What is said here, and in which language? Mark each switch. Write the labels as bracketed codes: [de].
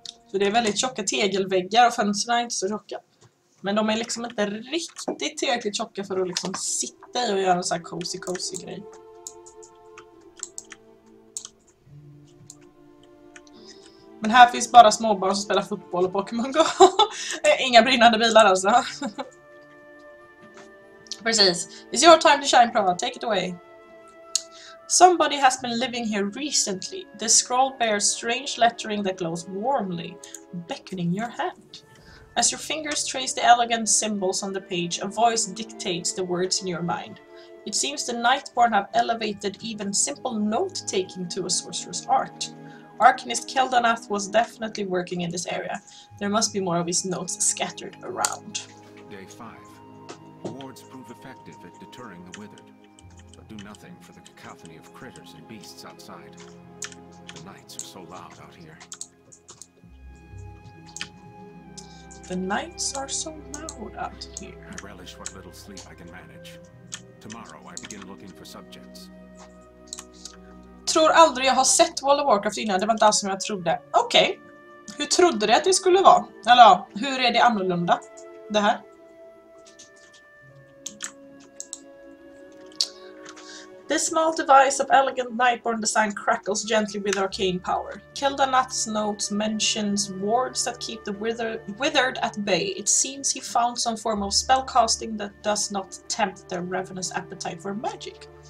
[sv] Så det är väldigt tjocka tegelväggar och fönstren är inte så tjocka. Men de är liksom inte riktigt tillräckligt tjocka för att liksom sitta i och göra en sån här cozy grej. Men här finns bara småbarn som spelar fotboll och Pokémon Go. Inga brinnande bilar alltså. Precis. [en] It's your time to shine, Prava. Take it away. Somebody has been living here recently. The scroll bears strange lettering that glows warmly, beckoning your hand. As your fingers trace the elegant symbols on the page, a voice dictates the words in your mind. It seems the Nightborn have elevated even simple note-taking to a sorcerer's art. Arcanist Keldanath was definitely working in this area. There must be more of his notes scattered around. Day 5. Wards prove effective at deterring the Withered, but do nothing for the cacophony of critters and beasts outside. The nights are so loud out here. The nights are so loud out here. I relish what little sleep I can manage. Tomorrow I begin looking for subjects. [sv] Jag tror aldrig jag har sett World of Warcraft innan, det var inte alls som jag trodde. Okej, hur trodde du att det skulle vara? Eller ja, hur är det annorlunda, det här? [en] This small device of elegant Nightborn design crackles gently with arcane power. Keldanath's notes mentions wards that keep the withered at bay. It seems he found some form of spellcasting that does not tempt their ravenous appetite for magic.